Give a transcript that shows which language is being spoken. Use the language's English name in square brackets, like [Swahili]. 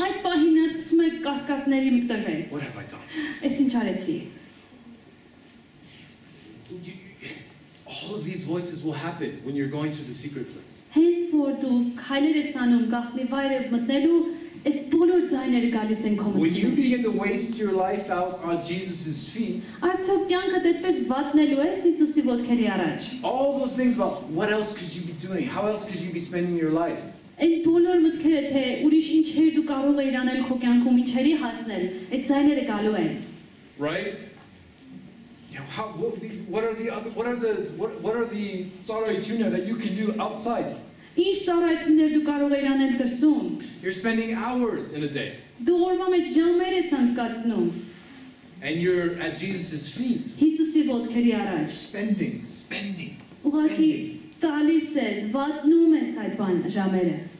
[Armenian] այդ պահին նա սկսում է կասկածների մտը վեր։ [English] What have I done? [Armenian] Ես ինչ արեցի։ [English] All of these voices will happen when you're going to the secret place. [Armenian] Henceforth, դու քայլերես անում գաղտնի վայրը մտնելու, այս բոլոր ձայները գալիս են քո մտքում։ [English] When you begin to waste your life out on Jesus' feet. [Armenian] Արդյոք կյանքդ այդպես վատնելու ես Հիսուսի ոտքերի առաջ։ [English] All those things about what else could you be doing? How else could you be spending your life? [Armenian] Այն բոլոր մտքերը, թե ուրիշ ինչեր դու կարող ես անել քո կյանքում, ինչերի հասնել, այդ ձայները գալու են։ [English] Right? Now, what are the sorayutyunya that you can do outside? [Armenian] Ինչ սարայություններ դու կարող ես անել դրսում? [English] You're spending hours in a day. [Armenian] Դու օրվա մեջ ժամեր ես անցկացնում. [English] And you're at Jesus's feet. [Armenian] Հիսուսի ոտքերի առաջ. [English] Spending. [Armenian] Ուղղակի տալիս ես, վատնում ես այդ բան ժամերը.